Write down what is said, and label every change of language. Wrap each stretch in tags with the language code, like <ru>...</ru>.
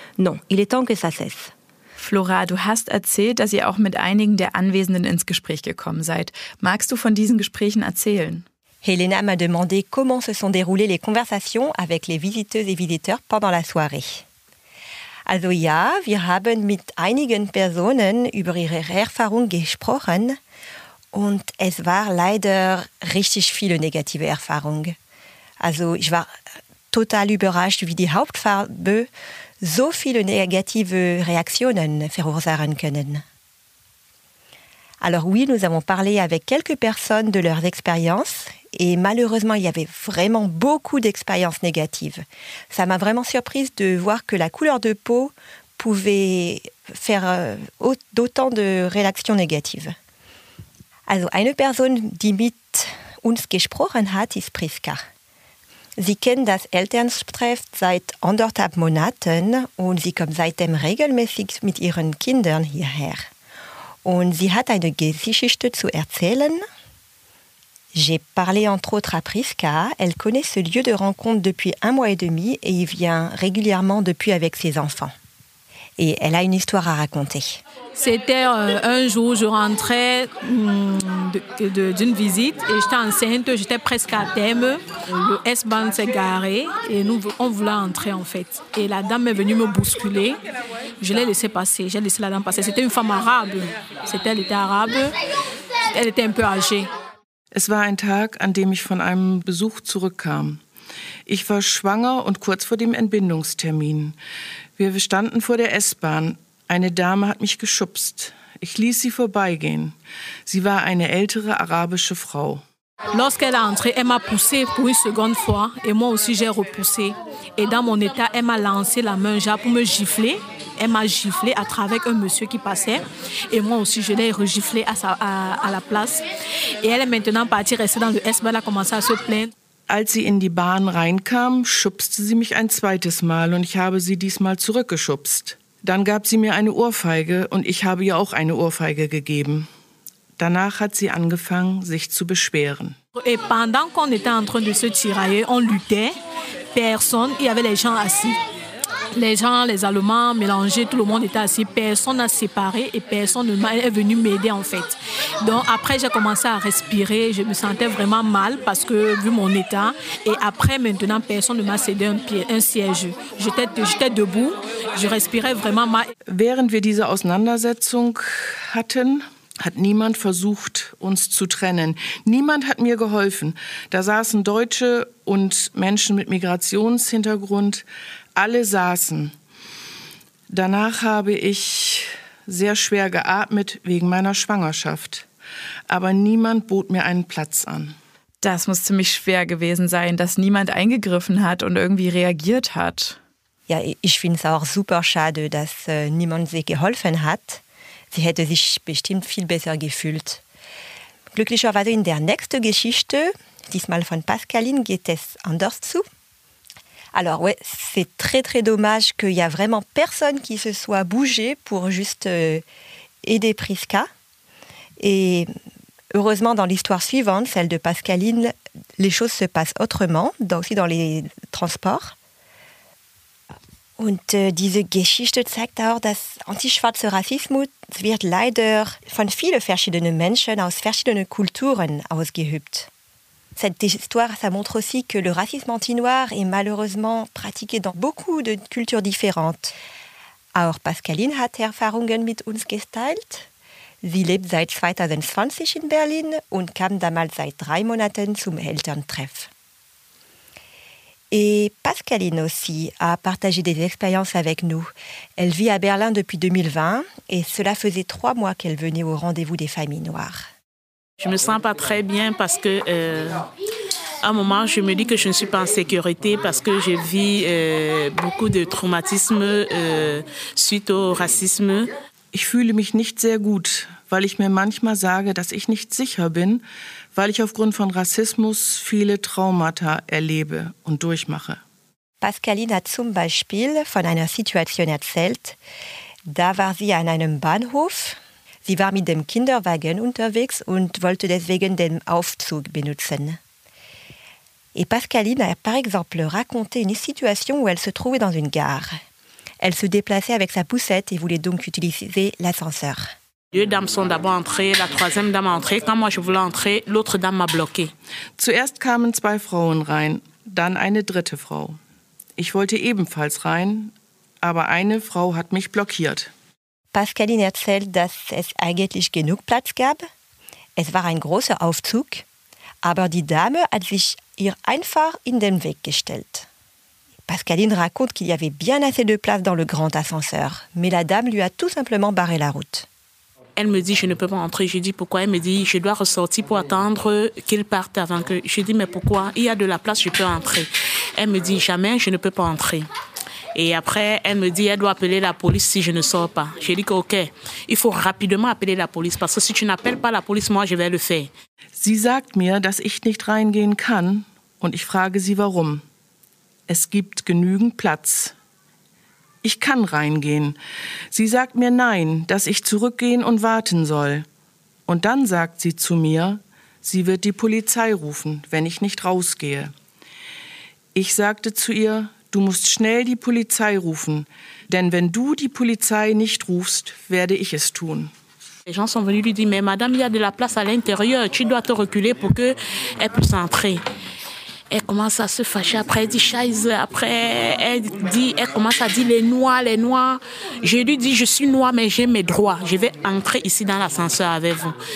<fr>Non, il est temps que ça cesse.</fr> <de>Flora, du hast erzählt, dass ihr auch mit einigen der Anwesenden ins Gespräch gekommen seid. Magst du von diesen Gesprächen erzählen?</de> <fr>Helena m'a demandé comment se sont déroulées les conversations avec les visiteuses et visiteurs pendant la soirée.</fr> <de>Also ja, wir haben mit einigen Personen über ihre Erfahrung gesprochen und es war leider richtig viele negative Erfahrungen. Also ich war total überrascht, wie die Hauptfarbe so viele negative Reaktionen verursachen können.</de> <fr>Alors oui, nous avons parlé avec quelques personnes de leurs expériences et malheureusement, il y avait vraiment beaucoup d'expériences négatives. Ça m'a vraiment surprise de voir que la couleur de peau pouvait faire d'autant de réactions négatives.</fr> <de>Also eine Person, die mit uns gesprochen hat, ist Priska. Sie kennt das Elterntreff seit anderthalb Monaten und sie kommt seitdem regelmäßig mit ihren Kindern hierher. Und sie hat eine Geschichte zu erzählen.</de> <fr>J'ai parlé entre autres à Priska. Elle connaît ce lieu de rencontre depuis un mois et demi et y vient régulièrement depuis avec ses enfants. Et elle a une histoire à raconter. C'était un jour, je rentrais d'une visite et j'étais enceinte, j'étais presque à terme. Le S-Bahn s'est garé et nous, on voulait entrer en fait. Et la dame est venue me bousculer. Je l'ai laissé passer, j'ai laissé la dame passer. C'était une femme arabe. Elle était arabe, elle était un peu âgée.</fr> <de>Es war ein Tag, an dem ich von einem Besuch zurückkam. Ich war schwanger und kurz vor dem Entbindungstermin. Wir standen vor der S-Bahn. Eine Dame hat mich geschubst. Ich ließ sie vorbeigehen. Sie war eine ältere arabische Frau.</de> <fr>Lorsqu'elle est entrée, elle m'a poussé pour une seconde fois et moi aussi j'ai repoussé. Et dans mon état, elle m'a lancé la main genre pour me gifler. Elle m'a giflé à travers un monsieur qui passait et moi aussi je l'ai regiflé à la place. Et elle est maintenant partie rester dans le SB, elle a commencé à se plaindre.</fr> <de>Als sie in die Bahn reinkam, schubste sie mich ein zweites Mal und ich habe sie diesmal zurückgeschubst. Dann gab sie mir eine Ohrfeige und ich habe ihr auch eine Ohrfeige gegeben. Danach hat sie angefangen, sich zu beschweren.</de> <fr>Et pendant qu'on était en train de se tirailler, on luttait. Personne, il y avait les gens assis. Les gens, les Allemands mélangés, tout le monde était assis. Personne n'a séparé et personne ne est venu m'aider en fait. Donc après, j'ai commencé à respirer. Je me sentais vraiment mal parce que vu mon état. Et après, maintenant, personne ne m'a cédé un siège. J'étais debout. Je respirais vraiment mal.</fr> <de>Während wir diese Auseinandersetzung hatten, hat niemand versucht, uns zu trennen. Niemand hat mir geholfen. Da saßen Deutsche und Menschen mit Migrationshintergrund. Alle saßen. Danach habe ich sehr schwer geatmet wegen meiner Schwangerschaft. Aber niemand bot mir einen Platz an. Das muss ziemlich schwer gewesen sein, dass niemand eingegriffen hat und irgendwie reagiert hat. Ja, ich finde es auch super schade, dass niemand sie geholfen hat. Sie hätte sich bestimmt viel besser gefühlt. Glücklicherweise in der nächsten Geschichte, diesmal von Pascaline, geht es anders zu.</de> <fr>Alors ouais, c'est très très dommage qu'il y a vraiment personne qui se soit bougé pour juste aider Prisca. Et heureusement, dans l'histoire suivante, celle de Pascaline, les choses se passent autrement, aussi dans les transports.</fr> <de>Und diese Geschichte zeigt auch, dass antischwarzer Rassismus wird leider von vielen verschiedenen Menschen aus verschiedenen Kulturen ausgeübt.</de> <fr>Cette histoire, ça montre aussi que le racisme anti-noir est malheureusement pratiqué dans beaucoup de cultures différentes.</fr> <de>Auch Pascaline hat Erfahrungen mit uns geteilt. Sie lebt seit 2020 in Berlin und kam damals seit 3 Monaten zum Elterntreff.</de> <fr>Et Pascaline aussi a partagé des expériences avec nous. Elle vit à Berlin depuis 2020 et cela faisait 3 mois qu'elle venait au rendez-vous des familles noires. Je me sens pas très bien parce que à un moment je me dis que je ne suis pas en sécurité parce que je vis beaucoup de traumatismes suite au racisme.</fr> <de>Ich fühle mich nicht sehr gut, weil ich mir manchmal sage, dass ich nicht sicher bin, weil ich aufgrund von Rassismus viele Traumata erlebe und durchmache. Pascaline hat zum Beispiel von einer Situation erzählt. Da war sie an einem Bahnhof. Sie war mit dem Kinderwagen unterwegs und wollte deswegen den Aufzug benutzen.</de> <fr>Et Pascaline a par exemple raconté une situation où elle se trouvait dans une gare. Elle se déplaçait avec sa poussette et voulait donc utiliser l'ascenseur. Deux dames sont d'abord entrées, la troisième dame est entrée. Quand moi je voulais entrer, l'autre dame m'a bloqué.</fr> <de>Zuerst kamen 2 Frauen rein, dann eine dritte Frau. Ich wollte ebenfalls rein, aber eine Frau hat mich blockiert. Pascaline erzählt, dass es eigentlich genug Platz gab. Es war ein großer Aufzug, aber die Dame hat sich ihr einfach in den Weg gestellt.</de> <fr>Pascaline raconte qu'il y avait bien assez de place dans le grand ascenseur, mais la dame lui a tout simplement barré la route. Elle me dit, je ne peux pas entrer. Je dis, pourquoi? Elle me dit, je dois ressortir pour attendre qu'il parte avant que... Je dis, mais pourquoi? Il y a de la place, je peux entrer. Elle me dit, jamais, je ne peux pas entrer. Et après, elle me dit, elle doit appeler la police si je ne sors pas. J'ai dit, OK, il faut rapidement appeler la police, parce que si tu n'appelles pas la police, moi, je vais le faire.</fr> <de>Sie sagt mir, dass ich nicht reingehen kann, und ich frage sie, warum. Es gibt genügend Platz. Ich kann reingehen. Sie sagt mir nein, dass ich zurückgehen und warten soll. Und dann sagt sie zu mir, sie wird die Polizei rufen, wenn ich nicht rausgehe. Ich sagte zu ihr, du musst schnell die Polizei rufen, denn wenn du die Polizei nicht rufst, werde ich es tun.</de> <fr>Les gens sont venus lui dire, mais madame, il y a de la place à l'intérieur, tu dois te reculer pour que elle puisse entrer. Elle commence à se fâcher, après elle dit chaise, après elle commence à dire les noirs. Je lui dis, je suis noire, mais j'ai mes droits. Je vais entrer ici dans l'ascenseur avec vous.</fr>